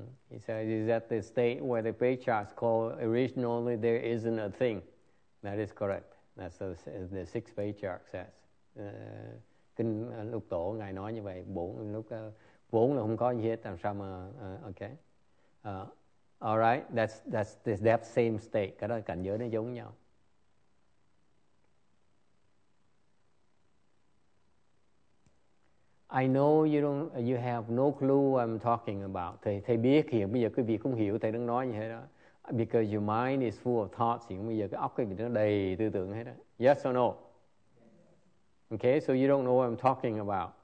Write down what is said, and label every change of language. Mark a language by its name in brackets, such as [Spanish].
[English] He says is at the state where the Pachas call originally there isn't a thing. That is correct. That's the six Pachas says. [Vietnamese] Kinh Lục Tổ ngài nói như vậy. Bổn là không có gì hết. Làm sao mà okay. [English] All right, that's that same state. [Vietnamese] Cái đó cảnh giới nó giống nhau. [English] I know you have no clue what I'm talking about. [Vietnamese] Thầy biết hiện bây giờ quý vị không hiểu thầy đang nói như thế đó. [English] Because your mind is full of thoughts. [Vietnamese] Hiện bây giờ cái óc quý vị nó đầy tư tưởng hết đó. [English] Yes or no? Okay, so you don't know what I'm talking about.